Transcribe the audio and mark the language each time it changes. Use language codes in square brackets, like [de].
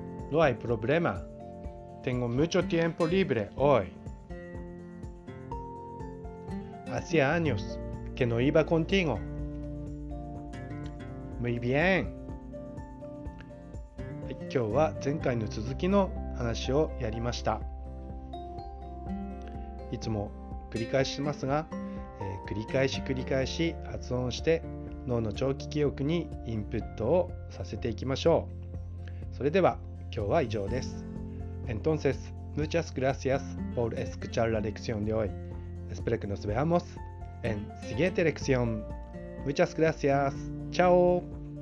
[es] No hay problema. Tengo mucho tiempo libre hoy. Hacía años que no iba contigo. Muy bien. [ja] 今日は前回の続きの話をやりました。いつも繰り返しますが、繰り返し繰り返し発音して脳の長期記憶にインプットをさせていきましょう。それでは今日は以上です。 [es] Entonces, muchas gracias por escuchar la lección de hoy. Espero que nos veamos en siguiente lección. Muchas gracias. Chao.